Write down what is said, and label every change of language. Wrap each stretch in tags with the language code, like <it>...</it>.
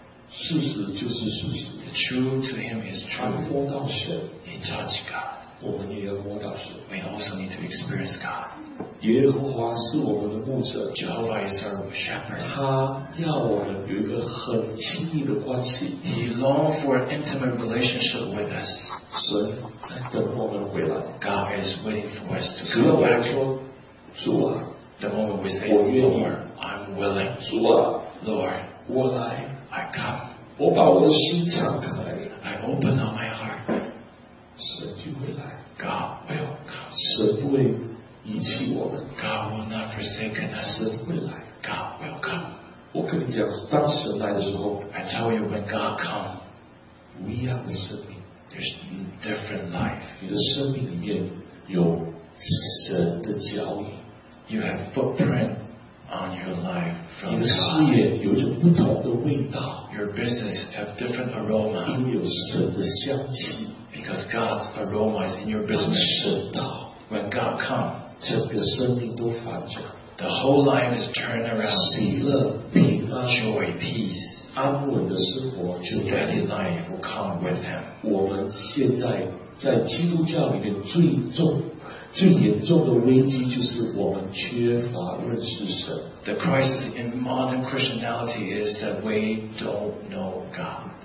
<zh>事实就是事实。</zh> <en>The truth to him is truth.</en> <zh>摸到神。</zh> <en>He touched God.</en> <zh>我们也要摸到神。</zh> <en>We also need to experience God.</en> <zh>耶和华是我们的牧者。</zh> <en>Jehovah is our shepherd.</en> <zh>他要我们有一个很亲密的关系。</zh> <en>He longs for an intimate relationship with us.</en> <zh>神在等我们回来。</zh> <en>God is waiting for us to come back.</en> <zh>主啊，主啊。</zh> <en>The moment we say, Lord, I'm willing.</en> <zh>主啊，</zh> <en>Lord,</en> <zh>我来，</zh> <en>I come.</en> <zh>我把我的心敞开，</zh> <en>I open up my heart.</en> <zh>神就会来，</zh> <en>God will come.</en> <zh>神不会遗弃我们，</zh> <en>God will not forsake us.</en> <zh>神会来，</zh> <en>God will come.</en> <zh>我跟你讲，当神来的时候，</zh> <en>I tell you, when God come,</en> <zh>不一样的生命，</zh> <en>there's different life.</en> <zh>你的生命里面有神的脚印。</zh> <en>You have footprint on your life from God.</en> <zh>你的事业有一种不同的味道。</zh> <en>Your business have different aroma.</en> <zh>因为有神的香气。</zh> <en>Because God's aroma is in your business.</en> <zh>当神到。</zh> <en>When God come,</en> <zh>整个生命都反转。</zh> <en>The whole life is turned around.</en> <zh>喜乐、平安、</zh> <en>joy, peace.</en> <zh>安稳的生活就在。</zh> <en>Steady life will come with Him.</en> <zh>我们现在在基督教里面最重。最严重的危机就是我们缺乏认识神。</zh> <en>The crisis in modern Christianity is that we don't know God.</en>